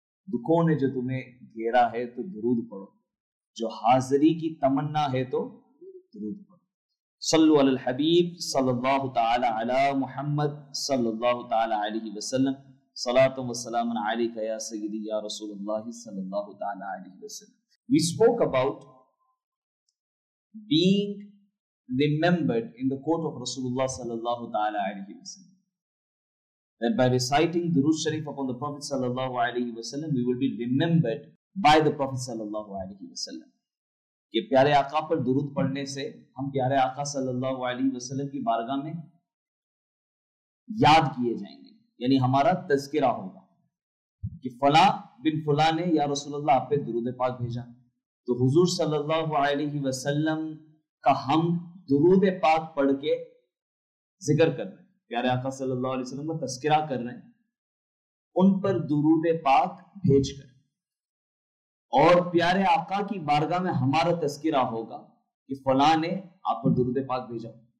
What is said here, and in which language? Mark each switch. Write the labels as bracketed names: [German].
[Urdu] دکھوں نے جو تمہیں گھیرا ہے تو درود پڑھو, جو حاضری کی تمنا ہے تو درود پڑھو. [Arabic] صلو علی الحبیب صلی اللہ تعالی علی محمد صلی اللہ تعالی علیہ وسلم. Salatum wa salamun alayka ya Sayyidi ya Rasulullah sallallahu ta'ala alayhi wa sallam. [English] We spoke about being remembered in the court of Rasulullah sallallahu ta'ala alayhi wa sallam. That by reciting Durood Sharif upon the Prophet sallallahu alayhi wa sallam, we will be remembered by the Prophet sallallahu alayhi wa sallam. [Urdu] Ke pyare aqa par durood padhne se hum pyare aqa sallallahu alayhi wa sallam ki bargah mein yaad kiye jayenge, یعنی ہمارا تذکرہ ہوگا کہ فلاں بن فلاں نے یا رسول اللہ آپ پہ درود پاک بھیجا. تو حضور صلی اللہ علیہ وسلم کا ہم درود پاک پڑھ کے ذکر کر رہے ہیں, پیارے آقا صلی اللہ علیہ وسلم کا تذکرہ کر رہے ہیں, ان پر درود پاک بھیج کر, اور پیارے آقا کی بارگاہ میں ہمارا تذکرہ ہوگا کہ فلاں نے آپ پر درود پاک بھیجا.